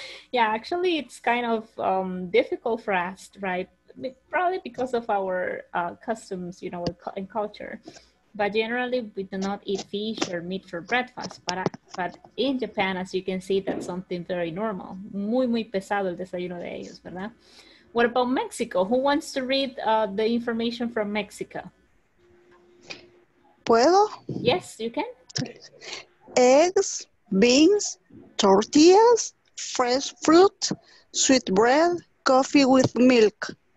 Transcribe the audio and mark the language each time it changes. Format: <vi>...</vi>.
<en>Yeah, actually, it's kind of difficult for us, right? Probably because of our customs, you know, and culture. But generally, we do not eat fish or meat for breakfast. But in Japan, as you can see, that's something very normal.</en> <es>Muy, muy pesado el desayuno de ellos, ¿verdad?</es> <en>What about Mexico? Who wants to read the information from Mexico?</en> <es>¿Puedo?</es> <en>Yes, you can. Eggs, beans, tortillas, fresh fruit, sweet bread, coffee with milk.</en>